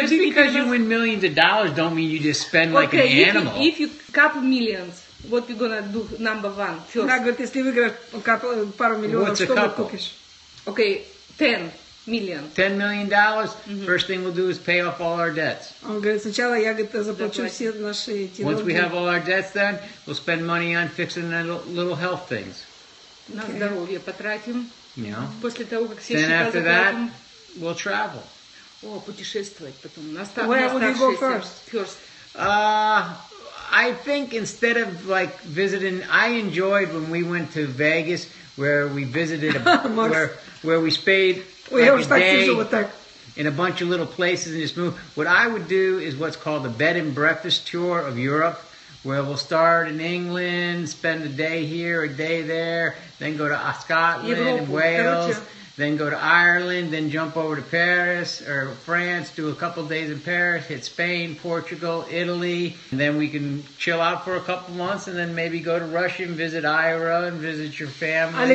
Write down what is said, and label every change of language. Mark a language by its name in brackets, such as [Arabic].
[English] Just because you win millions of dollars, don't mean you just spend like okay, an animal. If you couple millions. What you gonna do number one first? [Russian] Она говорит, если выиграешь пару миллионов, что ты купишь? [English] Okay, $10 million. $10 million. Mm-hmm. First thing we'll do is pay off all our debts. [Russian] Он говорит, сначала я говорит заплачу все наши эти долги. [English] Once we have all our debts, then we'll spend money on fixing little health things. [Russian] На здоровье потратим. [English] You know? [Russian] После того, как все счета закрыты. [English] Then after that, we'll travel. [Russian] О, путешествовать потом. [English] Where would you go first? I think instead of like visiting, I enjoyed when we went to Vegas, where we visited, where we stayed like a day in a bunch of little places and just moved. What I would do is what's called the bed and breakfast tour of Europe, where we'll start in England, spend a day here, a day there, then go to Scotland, Wales, then go to Ireland, then jump over to Paris or France, do a couple days in Paris, hit Spain, Portugal, Italy, and then we can chill out for a couple months and then maybe go to Russia and visit Ira and visit your family.